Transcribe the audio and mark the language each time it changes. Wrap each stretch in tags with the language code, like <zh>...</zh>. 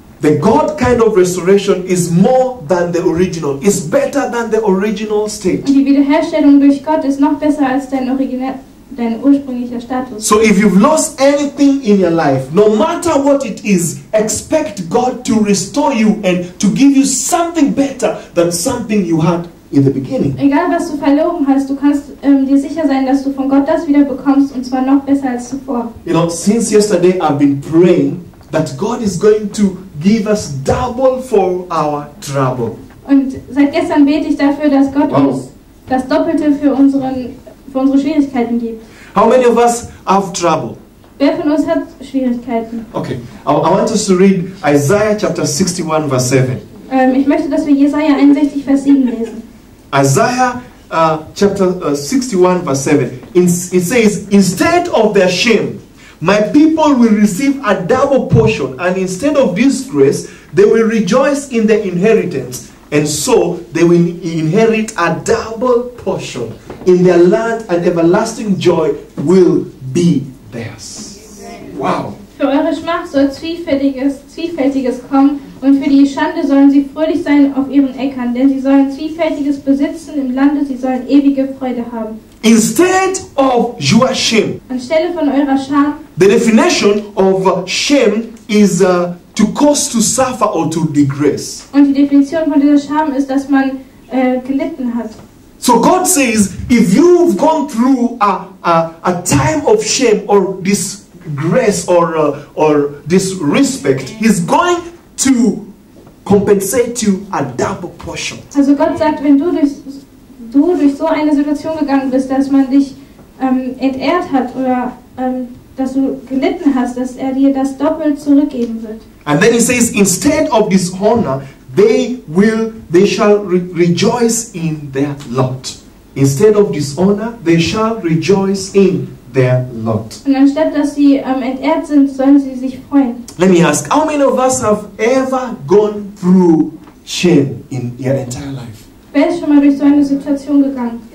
<en>The God kind of restoration is more than the original. It's better than the original state.</en> <de>Und die Wiederherstellung durch Gott ist noch besser als dein ursprünglicher Status.</de> <en>So if you've lost anything in your life, no matter what it is, expect God to restore you and to give you something better than something you had in the beginning.</en> <de>Egal was du verloren hast, du kannst dir sicher sein, dass du von Gott das wieder bekommst, und zwar noch besser als zuvor.</de> <en>You know, since yesterday I've been praying that God is going to give us double for our trouble.</en> <de>Und seit gestern bete ich dafür, dass Gott uns das Doppelte für unsere Schwierigkeiten gibt.</de> <en>How many of us have trouble?</en> <de>Wer von uns hat Schwierigkeiten?</de> <en>Okay, I want us to read Isaiah chapter 61 verse 7.</en> <de>Ich möchte, dass wir Jesaja 61 Vers 7 lesen.</de> <en>Isaiah chapter 61 verse 7. It says, instead of their shame, my people will receive a double portion, and instead of disgrace, They will rejoice in their inheritance, and so they will inherit a double portion in their land, and everlasting joy will be theirs. Wow.</en> <de>Für eure Schmach soll Zwiefältiges kommen, und für die Schande sollen sie fröhlich sein auf ihren Äckern, denn sie sollen Zwiefältiges besitzen im Lande, sie sollen ewige Freude haben.</de> <en>Instead of your shame.</en> <de>Anstelle von eurer Scham.</de> <en>The definition of shame is to cause to suffer or to digress.</en> <de>Und die Definition von dieser Scham ist, dass man gelitten hat.</de> <en>So God says, if you've gone through a time of shame or disgrace or disrespect, he's going to compensate you a double portion.</en> <de>Also Gott sagt, wenn du durch so eine Situation gegangen bist, dass man dich entehrt hat oder dass du gelitten hast, dass er dir das doppelt zurückgeben wird.</de> <en>And then he says, instead of dishonor, they shall rejoice in their lot. Instead of dishonor, they shall rejoice in their lot.</en> <de>Und anstatt dass sie entehrt sind, sollen sie sich freuen.</de> <en>Let me ask, how many of us have ever gone through shame in your entire life?</en> <de>Wer ist schon mal durch so eine Situation gegangen?</de>